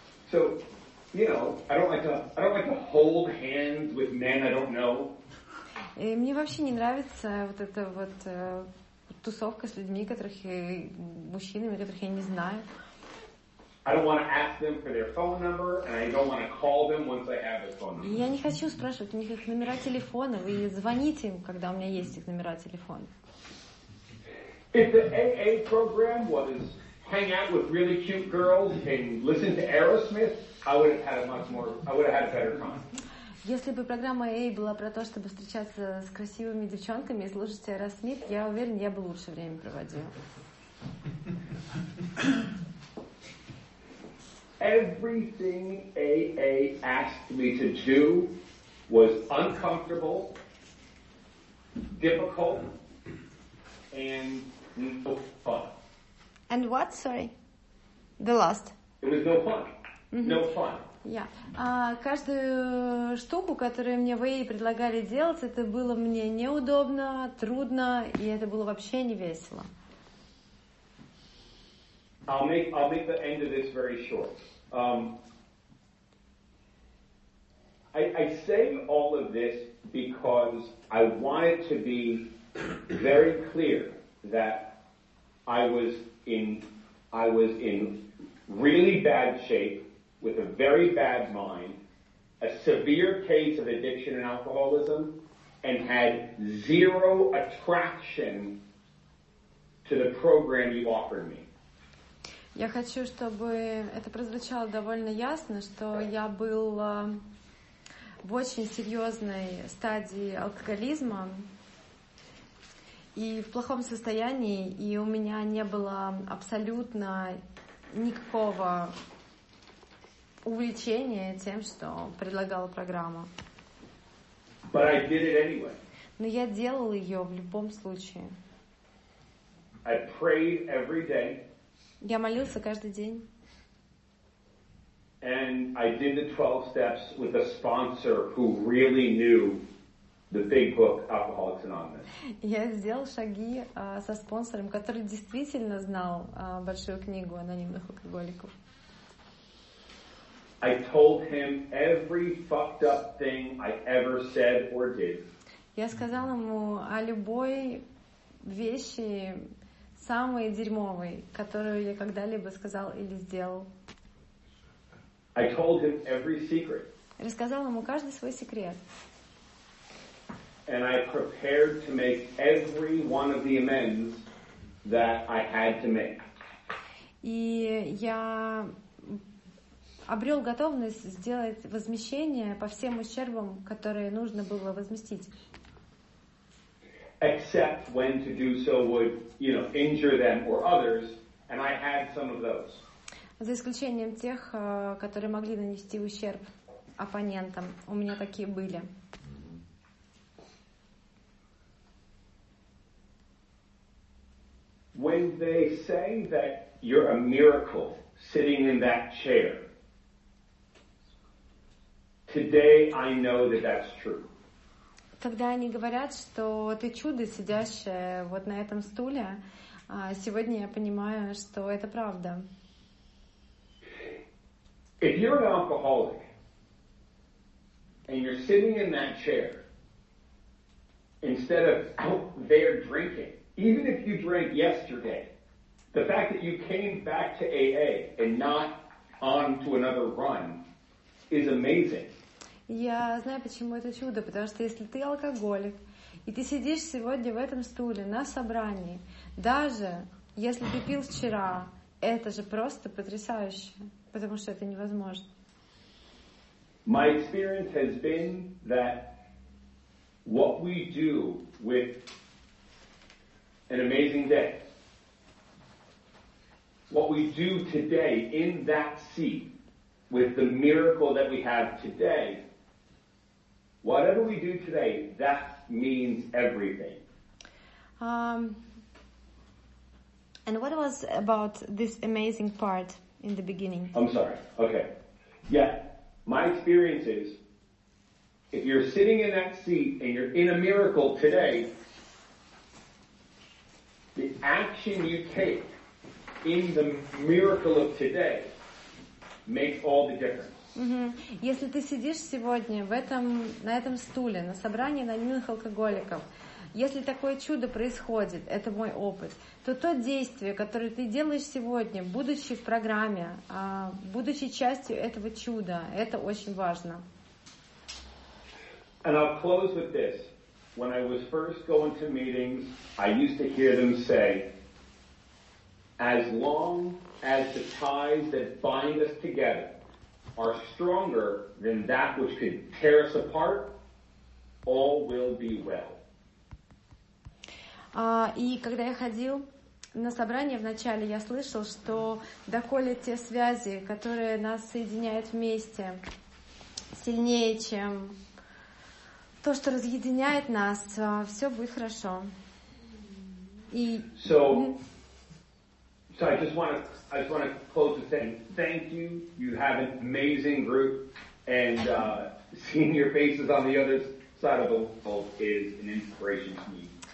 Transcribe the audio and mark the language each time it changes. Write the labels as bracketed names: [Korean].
[English] So, you know, I don't like to hold hands with men I don't know. [Russian] И мне вообще не нравится вот эта вот тусовка с людьми, которых мужчинами, которых я не знаю. [English] I don't want to ask them for their phone number, and I don't want to call them once I have their phone number. [Russian] Я не хочу спрашивать у них их номера телефонов и звонить им, когда у меня есть их номера телефонов. [English] If the AA program was hang out with really cute girls and listen to Aerosmith, I would have had a much more, I would have had a better time. [Russian] Если бы программа A была про то, чтобы встречаться с красивыми девчонками и слушать Aerosmith, я уверен, я бы лучше время проводила. [English] Everything AA asked me to do was uncomfortable, difficult, and no fun. And what? Sorry. The last. It was no fun. Mm-hmm. No fun. Yeah. [Russian] Каждую штуку, которую мне вы предлагали делать, это было мне неудобно, трудно, и это было вообще не весело. [English] I'll make the end of this very short. I say all of this because I wanted to be very clear that I was in really bad shape, with a very bad mind, a severe case of addiction and alcoholism, and had zero attraction to the program you offered me. [Russian] Я хочу, чтобы это прозвучало довольно ясно, что я был в очень серьезной стадии алкоголизма и в плохом состоянии, и у меня не было абсолютно никакого увлечение тем, что предлагала программа. [English] But I did it anyway. [Russian] Но я делал ее в любом случае. [English] I prayed every day. [Russian] Я молился каждый день. [English] And I did the 12 steps with a sponsor who really knew the big book Alcoholics Anonymous. [Russian] Я сделал шаги со спонсором, который действительно знал большую книгу анонимных алкоголиков. [English] I told him every fucked up thing I ever said or did. [Russian] Я сказал ему о любой вещи самой дерьмовой, которую я когда-либо сказал или сделал. [English] I told him every secret. [Russian] Рассказал ему каждый свой секрет. [English] And I prepared to make every one of the amends that I had to make. [Russian] И я обрел готовность сделать возмещение по всем ущербам, которые нужно было возместить. [English] Except when to do so would, you know, injure them or others, and I had some of those. [Russian] За исключением тех, которые могли нанести ущерб оппонентам. У меня такие были. [English] When they say that you're a miracle sitting in that chair, today I know that that's true. [Russian] Когда они говорят, что ты чудо, сидящее вот на этом стуле, сегодня я понимаю, что это правда. [English] If you're an alcoholic and you're sitting in that chair instead of out there drinking, even if you drank yesterday, the fact that you came back to AA and not on to another run is amazing. [Russian] Я знаю, почему это чудо, потому что если ты алкоголик, и ты сидишь сегодня в этом стуле на собрании, даже если ты пил вчера, это же просто потрясающе, потому что это невозможно. [English] My experience has been that what we do with an amazing day, what we do today in that seat with the miracle that we have today, whatever we do today, that means everything. And what was about this amazing part in the beginning? I'm sorry. Okay. Yeah. My experience is, if you're sitting in that seat and you're in a miracle today, the action you take in the miracle of today makes all the difference. Угу. [Russian] Если ты сидишь сегодня в этом, на этом стуле, на собрании анонимных алкоголиков, если такое чудо происходит, это мой опыт, то то действие, которое ты делаешь сегодня, будучи в программе, будучи частью этого чуда, это очень важно. [English] And I'll close with this. When I was first going to meetings, I used to hear them say, as long as the ties that bind us together are stronger than that which could tear us apart, all will be well. [Russian] И когда я ходил на собрание вначале, я слышал, что доколе те связи, которые нас соединяют вместе, сильнее, чем то, что разъединяет нас, все будет хорошо. И... [English] So, so I just want to close with saying thank you. You have an amazing group, and seeing your faces on the other side of the world is an inspiration to me.